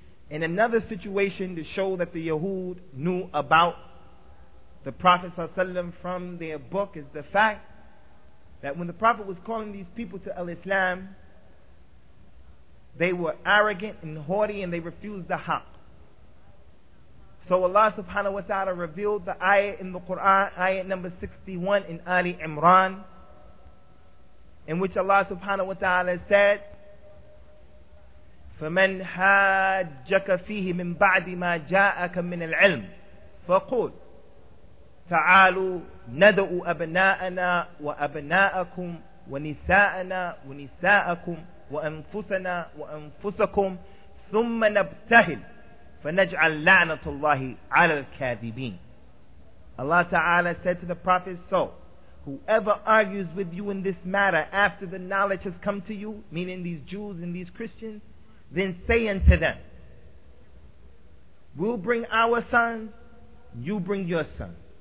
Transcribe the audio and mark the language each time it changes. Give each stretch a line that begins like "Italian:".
English: In another situation, to show that the Yahud knew about the Prophet Sallallahu Alaihi Wasallam from their book, is the fact that when the Prophet was calling these people to al-Islam, they were arrogant and haughty and they refused the haq. So Allah subhanahu wa ta'ala revealed the ayah in the Quran, ayah number 61 in Ali Imran, in which Allah subhanahu wa ta'ala said,
Arabic: فَمَنْ حَاجَّكَ فِيهِ مِنْ بَعْدِ مَا جَاءَكَ مِنَ الْعِلْمِ فَقُلْ تعالوا ندعو أبناءنا وأبناءكم ونساءنا ونساءكم وأنفسنا وأنفسكم ثم نبتهل فنجعل لعنة الله على الكاذبين.
English: Allah Ta'ala said to the Prophet, so whoever argues with you in this matter after the knowledge has come to you, meaning these Jews and these Christians, then say unto them, we'll bring our sons, you bring your sons.